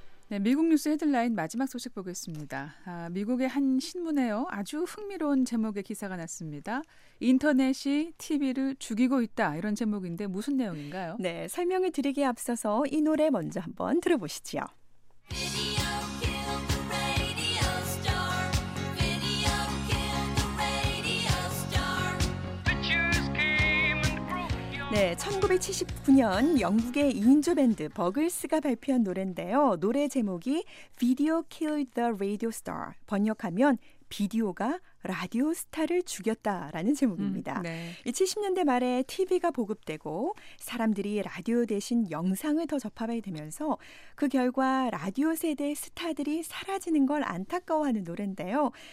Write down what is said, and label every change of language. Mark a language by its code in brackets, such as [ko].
[ko] 네, 미국 뉴스 헤드라인 마지막 소식 보겠습니다. 아, 미국의 한 신문에요. 아주 흥미로운 제목의 기사가 났습니다. 인터넷이 TV를 죽이고 있다. 이런 제목인데 무슨 내용인가요? 네, 설명을 드리기에 앞서서 이 노래 먼저 한번 들어보시죠. [en] Video killed the radio star. Video killed the radio star. Bitches came and broke your... [ko] 네, 1979년 영국의 2인조 밴드 버글스가 발표한 노래인데요. 노래 제목이 Video Killed the Radio Star. 번역하면 비디오가 라디오 스타를 죽였다라는 제목입니다. 네. 70년대 말에 TV가 보급되고 사람들이 라디오 대신 영상을 더 접하게 되면서 그 결과 라디오 세대의 스타들이 사라지는 걸 안타까워하는 노래인데요.